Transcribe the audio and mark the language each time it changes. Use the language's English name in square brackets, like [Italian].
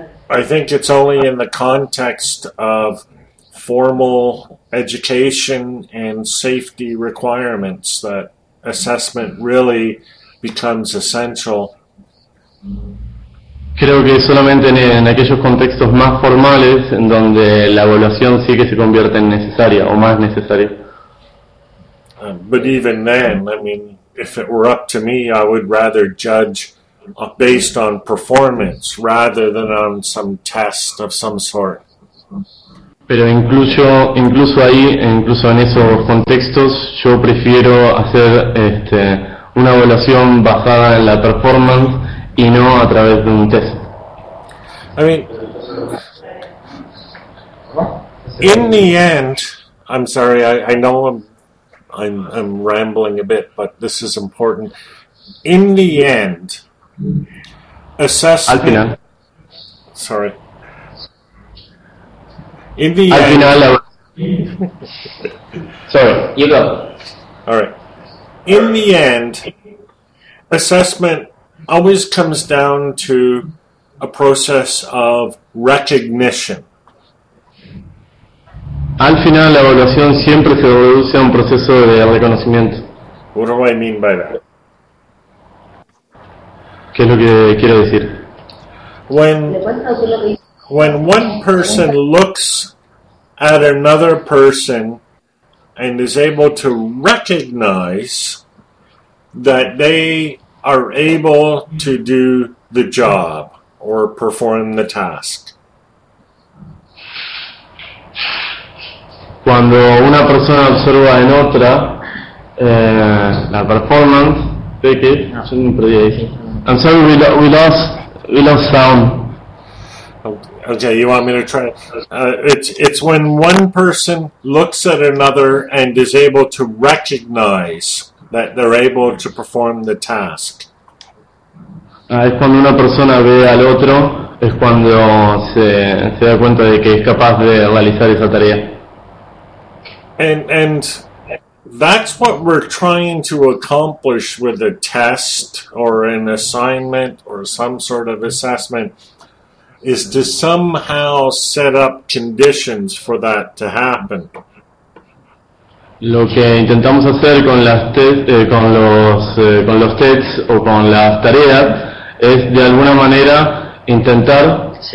[English] I think it's only in the context of formal education and safety requirements that assessment really becomes essential. [Spanish] Creo que solamente en aquellos contextos más formales en donde la evaluación sí que se convierte en necesaria o más necesaria. [English] But even then, I mean, if it were up to me, I would rather judge based on performance rather than on some test of some sort. [Spanish] Pero incluso ahí, incluso en esos contextos, yo prefiero hacer una evaluación basada en la performance y no a través de un test. [English] I mean, in the end, I'm sorry, I know I'm rambling a bit, but this is important. In the end, assessment... [Spanish] Al final. [English] Sorry. In the end, in the end, assessment always comes down to a process of recognition. [Spanish] Al final, la evaluación siempre se reduce a un proceso de reconocimiento. [English] What do I mean by that? [Spanish] ¿Qué es lo que quiero decir? [English] When one person looks at another person and is able to recognize that they are able to do the job or perform the task. [Spanish] Cuando una persona observa en otra la performance, [English] I'm sorry, we lost we lost sound. Okay, you want me to try? It's when one person looks at another and is able to recognize that they're able to perform the task. [Spanish] Es cuando una persona ve al otro, es cuando se da cuenta de que es capaz de realizar esa tarea. [English] And that's what we're trying to accomplish with a test or an assignment or some sort of assessment, is to somehow set up conditions for that to happen. [Spanish] Lo que intentamos hacer con las con los tests o con las tareas es de alguna manera intentar